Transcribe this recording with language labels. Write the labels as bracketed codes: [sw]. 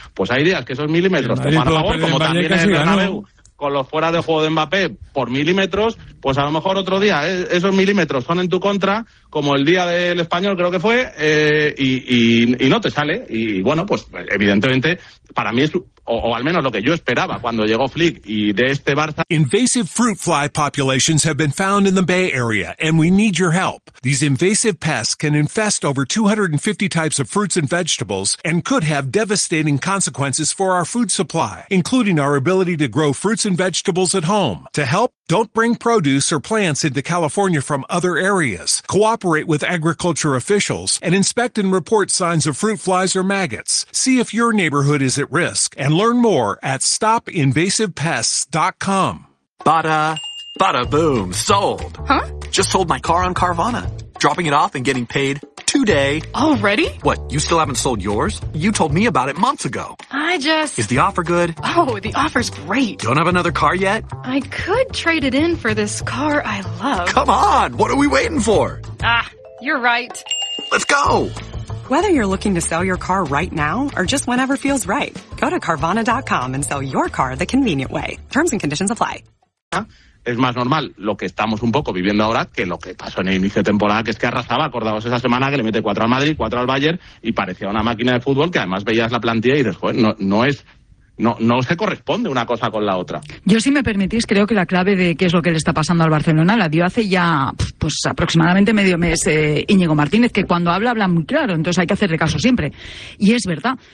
[es] Pues hay días que esos milímetros te van a favor, como también en el Bernabéu, con los fuera de juego de Mbappé, por milímetros, pues a lo mejor otro día esos milímetros son en tu contra, como el día del Español creo que fue, y no te sale. Y bueno, pues evidentemente, para mí es, o al menos lo que yo esperaba cuando llegó Flick y de este Barça. [en] Invasive fruit fly populations have been found in the Bay Area, and we need your help. These invasive pests can infest over 250 types of fruits and vegetables and could have devastating consequences for our food supply, including our ability to grow fruits and vegetables at home. To help, don't bring produce or plants into California from other areas. Cooperate with agriculture officials and inspect and report signs of fruit flies or maggots. See if your neighborhood is at risk and learn more at stopinvasivepests.com. Bada, bada boom, sold. Huh? Just sold my car on Carvana. Dropping it off and getting paid today. Already? What, you still haven't sold yours? You told me about it months ago. I just... Is the offer good? Oh, the offer's great. Don't have another car yet? I could trade it in for this car I love. Come on, what are we waiting for? Ah, you're right. Let's go. Whether you're looking to sell your car right now or just whenever feels right, go to Carvana.com and sell your car the convenient way. Terms and conditions apply. [es] Es más normal lo que estamos un poco viviendo ahora que lo que pasó en el inicio de temporada, que es que arrasaba, acordaos esa semana, que le mete 4 al Madrid, 4 al Bayern, y parecía una máquina de fútbol, que además veías la plantilla y dices, joder, no se corresponde una cosa con la otra. Yo, si me permitís, creo que la clave de qué es lo que le está pasando al Barcelona la dio hace ya pues aproximadamente medio mes Íñigo Martínez, que cuando habla muy claro, entonces hay que hacerle caso siempre. Y es verdad.